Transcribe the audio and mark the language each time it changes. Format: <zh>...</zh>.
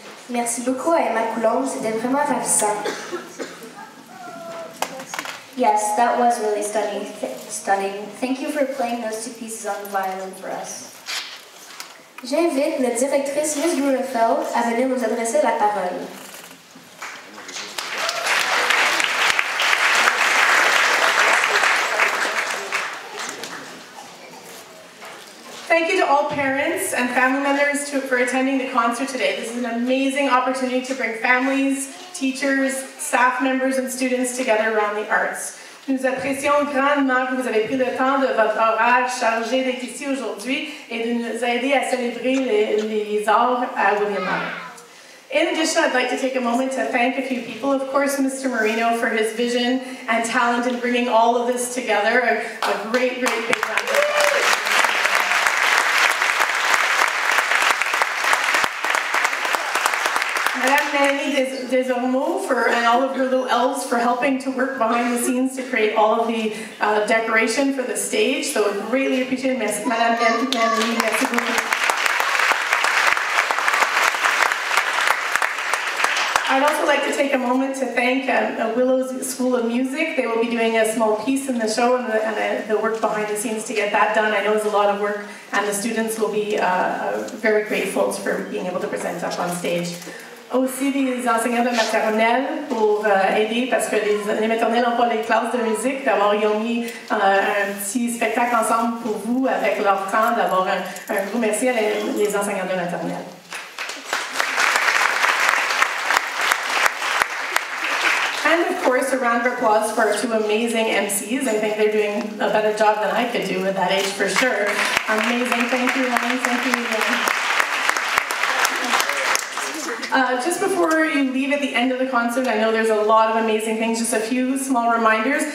<fr>Merci beaucoup à Emma Coulombe, c'était vraiment ravissant.</fr> <en>Yes, that was really stunning. Thank you for playing those two pieces on the violin for us.</en> <fr>J'invite la directrice Miss Grunefeld à venir nous adresser la parole.</fr> <en>Thank you to all parents and family members for attending the concert today. This is an amazing opportunity to bring families, teachers, staff members, and students together around the arts.</en> <fr>Nous apprécions grandement que vous avez pris le temps de votre horaire chargé d'être ici aujourd'hui et de nous aider à célébrer les arts à William Allen.</fr> <en>In addition, I'd like to take a moment to thank a few people. Of course, Mr. Marino for his vision and talent in bringing all of this together. A great, great big round of applause. Annie Desormeaux for and all of her little elves for helping to work behind the scenes to create all of the decoration for the stage. So greatly appreciated, Madame Annie,</en> <fr>merci beaucoup.</fr> <en>I'd also like to take a moment to thank Willow's School of Music. They will be doing a small piece in the show and the work behind the scenes to get that done. I know it's a lot of work, and the students will be very grateful for being able to present up on stage.</en> <fr>Aussi des enseignants de maternelle pour aider parce que les maternelles n'ont pas les classes de musique, d'avoir ils ont mis un petit spectacle ensemble pour vous avec leur temps, d'avoir un gros merci à les enseignants de maternelle.</fr> <en>And of course, a round of applause for our two amazing MCs. I think they're doing a better job than I could do at that age for sure. Amazing. Thank you, honey. Thank you. Just before you leave at the end of the concert, I know there's a lot of amazing things, just a few small reminders.</en>